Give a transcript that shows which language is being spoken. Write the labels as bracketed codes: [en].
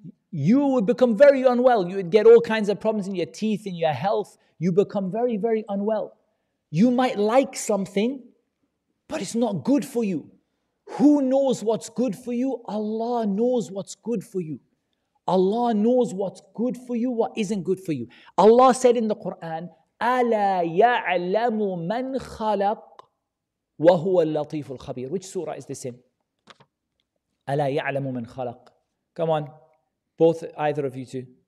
[en] You would become very unwell. You would get all kinds of problems in your teeth, in your health. You become very, very unwell. You might like something, but it's not good for you. Who knows what's good for you? Allah knows what's good for you. Allah knows what's good for you, what isn't good for you. Allah said in the Quran, [ar] أَلَا يَعْلَمُ مَنْ خَلَقَ وَهُوَ اللَّطِيفُ الْخَبِيرُ. [en] Which surah is this in? [ar] أَلَا يَعْلَمُ مَنْ خَلَقَ. [en] Come on, either of you two.